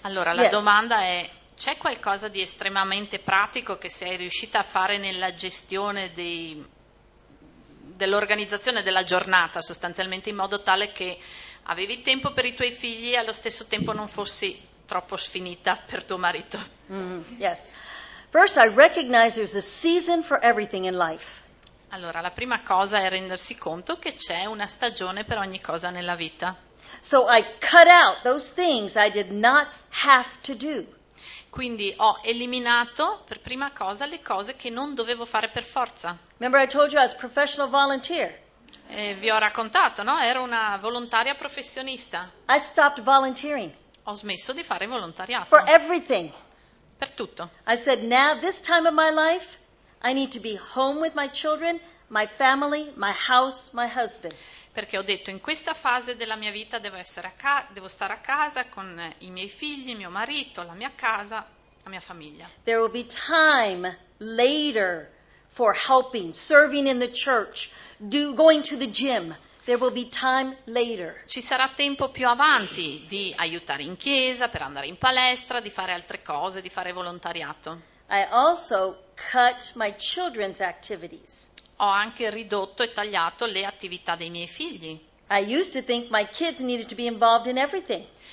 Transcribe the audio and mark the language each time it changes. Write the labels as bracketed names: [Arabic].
[Italian] Allora, la domanda è, c'è qualcosa di estremamente pratico che sei riuscita a fare nella gestione dell'organizzazione della giornata, sostanzialmente in modo tale che avevi tempo per i tuoi figli e allo stesso tempo non fossi troppo sfinita per tuo marito? [English] Yes. First, I recognize there's a season for everything in life. [Italian] Allora, la prima cosa è rendersi conto che c'è una stagione per ogni cosa nella vita. [English] So I cut out those things I did not have to do. [Italian] Quindi ho eliminato per prima cosa le cose che non dovevo fare per forza. [English] Remember I told you I was a professional volunteer. [Italian] Vi ho raccontato, no? Ero una volontaria professionista. [English] I stopped volunteering. [Italian] Ho smesso di fare volontariato. [English] For everything. [Italian] Per tutto. [English] I said now this time of my life I need to be home with my children, my family, my house, my husband. [Italian] Perché ho detto, in questa fase della mia vita devo stare a casa con i miei figli, mio marito, la mia casa, la mia famiglia. [English] There will be time later for helping, serving in the church, going to the gym. There will be time later. [Italian] Ci sarà tempo più avanti di aiutare in chiesa, per andare in palestra, di fare altre cose, di fare volontariato. [English] I also cut my children's activities. [Italian] Ho anche ridotto e tagliato le attività dei miei figli. [English] I used to think my kids needed to be involved in everything.